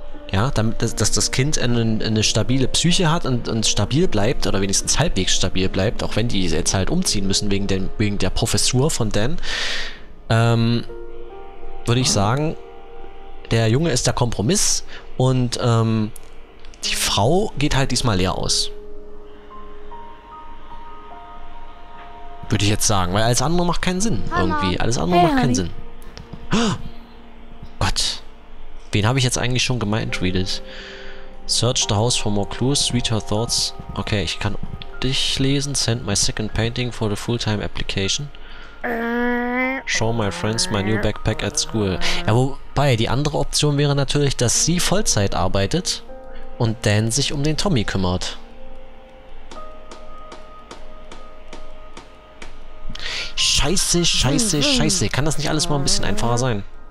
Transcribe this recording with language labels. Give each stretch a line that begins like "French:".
German: Ja, damit, dass das Kind eine stabile Psyche hat und stabil bleibt oder wenigstens halbwegs stabil bleibt, auch wenn die jetzt halt umziehen müssen wegen der Professur von Dan, würde ich sagen, der Junge ist der Kompromiss und die Frau geht halt diesmal leer aus. Würde ich jetzt sagen, weil alles andere macht keinen Sinn. Hallo. Irgendwie. Alles andere macht keinen Sinn. Gott. Wen habe ich jetzt eigentlich schon gemeint, Readed?
English: Search the house for more clues, read her thoughts. Okay,
German: ich kann dich lesen.
English: Send my second painting for the full-time application. Show my friends my new backpack at school.
German: Ja, wobei, die andere Option wäre natürlich, dass sie Vollzeit arbeitet und Dan sich um den Tommy kümmert. Scheiße, scheiße, scheiße. Kann das nicht alles mal ein bisschen einfacher sein?